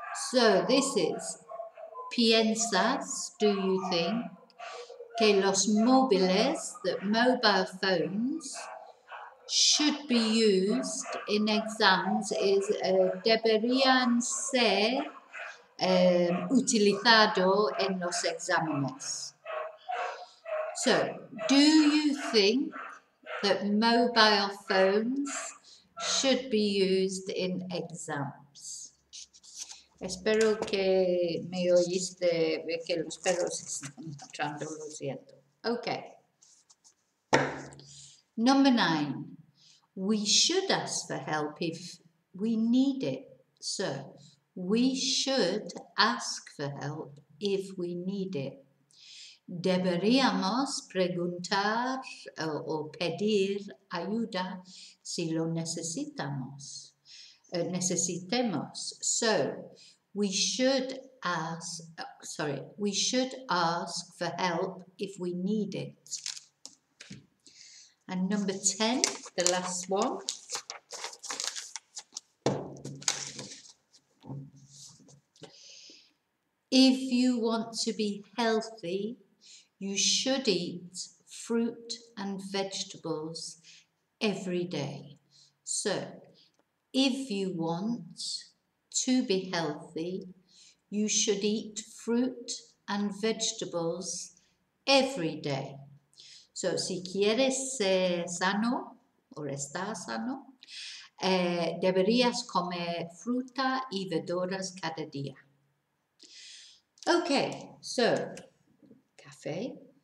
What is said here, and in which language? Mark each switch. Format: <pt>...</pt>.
<en>So this is,</en> <es>piensas,</es> <en>do you think,</en> <es>que los móviles,</es> <en>that mobile phones, should be used in exams is</en> <es>deberían ser utilizado en los exámenes.</es> <en>So, do you think that mobile phones should be used in exams?</en> <es>Espero que me oíste, que los perros están entrando, lo siento.</es> <en>Okay. Number nine. We should ask for help if we need it. So, we should ask for help if we need it.</en> <es>Deberíamos preguntar o pedir ayuda si lo necesitamos. Necesitemos.</es> <en>So, we should ask for help if we need it. And number 10, the last one. If you want to be healthy, you should eat fruit and vegetables every day. So, if you want to be healthy, you should eat fruit and vegetables every day.</en> <es>So, si quieres ser sano, o estar sano, deberías comer fruta y verduras cada día.</es> <en>Okay, so, café.</en>